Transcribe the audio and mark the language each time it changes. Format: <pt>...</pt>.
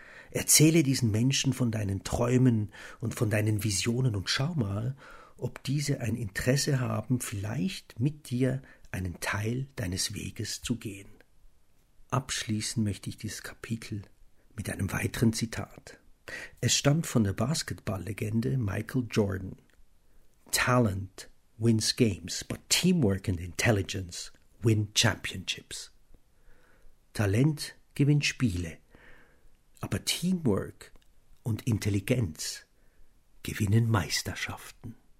<de>Erzähle diesen Menschen von deinen Träumen und von deinen Visionen und schau mal, ob diese ein Interesse haben, vielleicht mit dir einen Teil deines Weges zu gehen. Abschließen möchte ich dieses Kapitel mit einem weiteren Zitat. Es stammt von der Basketballlegende Michael Jordan.</de> <en>Talent wins games, but teamwork and intelligence win championships.</en> <de>Talent gewinnt Spiele, aber Teamwork und Intelligenz gewinnen Meisterschaften.</de>